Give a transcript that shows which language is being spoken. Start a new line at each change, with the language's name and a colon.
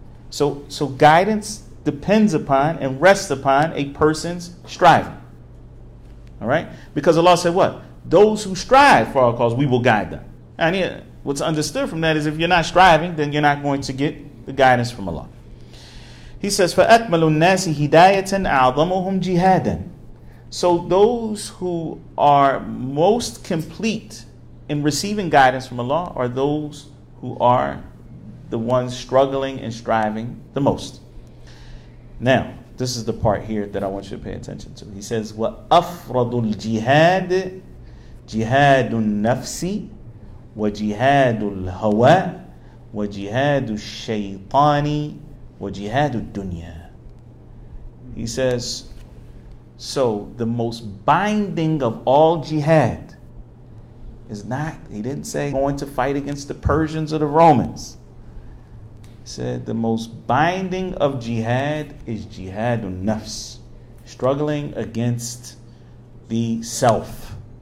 English: So guidance depends upon and rests upon a person's striving. All right? Because Allah said what? Those who strive for our cause, we will guide them. And yeah, what's understood from that is if you're not striving, then you're not going to get the guidance from Allah.
Arabic: He says, فَأَكْمَلُ النَّاسِ هِدَايَةً أَعْظَمُهُمْ جِهَادًا.
English: So those who are most complete in receiving guidance from Allah are those who are the ones struggling and striving the most. Now, this is the part here that I want you to pay attention to.
Arabic: He says, وَأَفْرَضُ الْجِهَادِ جِهَادُ النَّفْسِ وجهاد الهوى وجهاد الشيطان وجهاد الدنيا.
English: He says, so the most binding of all jihad is not, he didn't say going to fight against the Persians or the Romans. He said the most binding of jihad is jihad al-nafs, struggling against the self.